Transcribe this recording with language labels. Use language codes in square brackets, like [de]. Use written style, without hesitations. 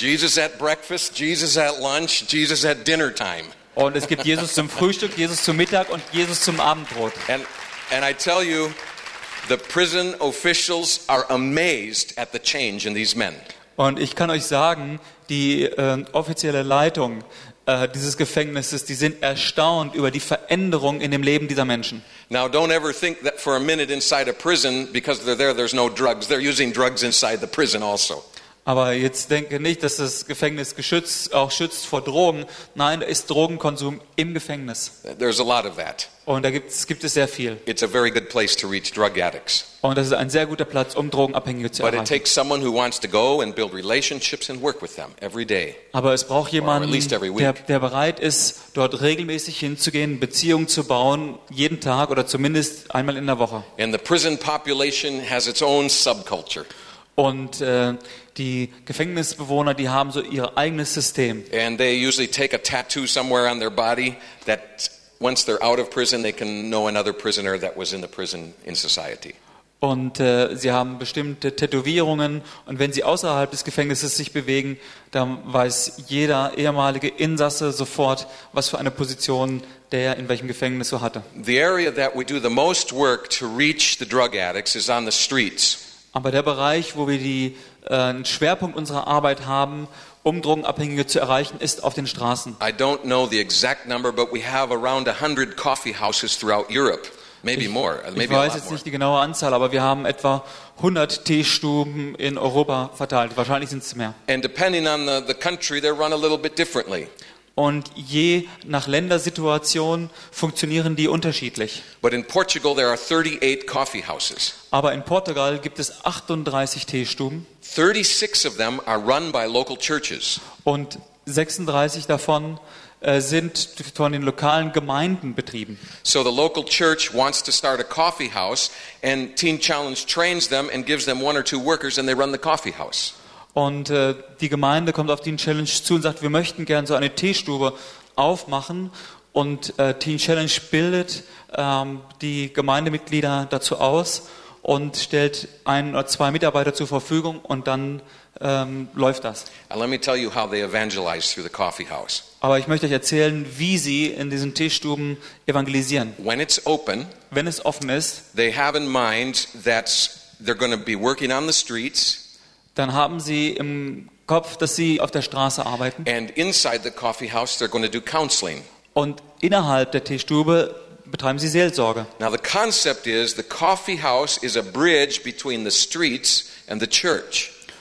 [en] Jesus at breakfast, Jesus at lunch, Jesus at dinner time. [de] Und es gibt Jesus zum Frühstück, Jesus zum Mittag und Jesus zum Abendbrot. [en] And I tell you, the prison officials are amazed at the change in these men. [de] Und ich kann euch sagen, die offizielle Leitung dieses Gefängnisses, die sind erstaunt über die Veränderung in dem Leben dieser Menschen. [en] Now don't ever think that for a minute inside a prison, because they're there, there's no drugs. They're using drugs inside the prison also. [de] Aber jetzt denke nicht, dass das Gefängnis schützt vor Drogen. Nein, da ist Drogenkonsum im Gefängnis. [en] There's a lot of that. [de] Und da gibt es sehr viel. [en] It's a very good place to reach drug addicts. [de] Und das ist ein sehr guter Platz, um Drogenabhängige zu erreichen. [en] But it takes someone who wants to go and build relationships and work with them every day. [de] Aber es braucht jemanden, der bereit ist, dort regelmäßig hinzugehen, Beziehungen zu bauen, jeden Tag oder zumindest einmal in der Woche. [en] And the prison population has its own subculture. [de] Und die Gefängnisbewohner, die haben so ihr eigenes System. [en] And they usually take a tattoo somewhere on their body that once they're out of prison, they can know another prisoner that was in the prison in society. [de] und sie haben bestimmte Tätowierungen. Und wenn sie außerhalb des Gefängnisses sich bewegen, dann weiß jeder ehemalige Insasse sofort, was für eine Position der in welchem Gefängnis so hatte. [en] The area that we do the most work to reach the drug addicts is on the streets. [de] Aber der Bereich, wo wir die einen Schwerpunkt unserer Arbeit haben, um Drogenabhängige zu erreichen, ist auf den Straßen. [en] I don't know the exact number, but we have around 100 coffee houses throughout Europe. Maybe more. [de] Ich weiß jetzt nicht die genaue Anzahl, aber wir haben etwa 100 Teestuben in Europa verteilt. Wahrscheinlich sind es mehr. [en] And depending on the country, they run a little bit differently. [de] Und je nach Ländersituation funktionieren die unterschiedlich. [en] But in Portugal there are 38 coffee houses. [de] Aber in Portugal gibt es 38 Teestuben. [en] 36 of them are run by local churches. [de] Und 36 davon sind von den lokalen Gemeinden betrieben. [en] So the local church wants to start a coffee house and Teen Challenge trains them and gives them one or two workers and they run the coffee house. [de] Und die Gemeinde kommt auf Teen Challenge zu und sagt, wir möchten gerne so eine Teestube aufmachen. Und Teen Challenge bildet die Gemeindemitglieder dazu aus und stellt ein oder zwei Mitarbeiter zur Verfügung und dann läuft das. [en] Let me tell you how they evangelize through the coffee house. [de] Aber ich möchte euch erzählen, wie sie in diesen Teestuben evangelisieren. [en] When it's open, [de] wenn es offen ist, [en] they have in mind that they're going to be working on the streets. [de] Dann haben sie im Kopf, dass sie auf der Straße arbeiten. [en] And inside the coffee house they're going to do counseling. [de] Und innerhalb der Teestube betreiben sie Seelsorge. [en] Now the concept is the coffee house is a bridge between the streets and the church.